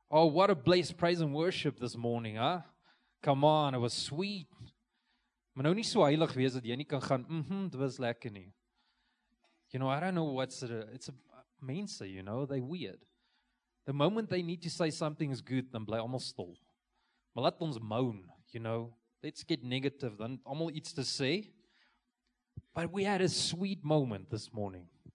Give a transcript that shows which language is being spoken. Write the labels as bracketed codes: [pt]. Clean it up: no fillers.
[en] Oh, what a blessed praise and worship this morning, huh? Come on, it was sweet. [af] Maar nou nie so heilig wees dat jy nie kan gaan, dit was lekker nie. [en] You know, I don't know what's it's a mense, you know, they weird. The moment they need to say something is good, dan bly almal stil. Maar laat ons moan, you know. Let's get negative, dan almal iets te sê. But we had a sweet moment this morning.